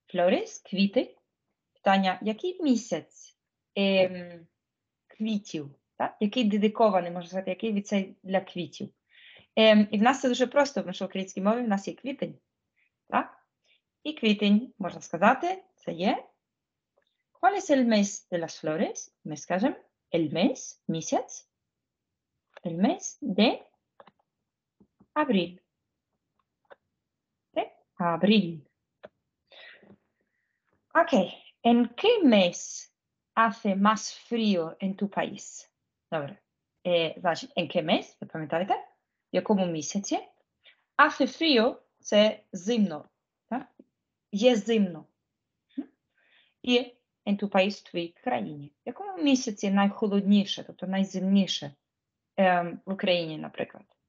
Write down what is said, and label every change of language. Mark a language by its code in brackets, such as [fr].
[uk] Flores, квіти. Питання, який місяць квітів? Так? Який дедикований, можна сказати, який від цей для квітів? І в нас це дуже просто, тому що в українській мові в нас є квітень. Так? І квітень, можна сказати, це є. [es] ¿Cuál es el mes de las flores? [uk] Ми скажемо, el mes, місяць. [es] El mes de abril. Abril. Ok, ¿en qué mes hace más frío en tu país? [uk] Dobre. [es] Значить, ¿en qué mes? [uk] Ви пам'ятаєте? В якому місяці? [es] Hace frío [uk] – це зимно. Так? Є зимно. І [es] in tu país, [uk] в твоїй країні. В якому місяці найхолодніше, тобто найзимніше в Україні, наприклад?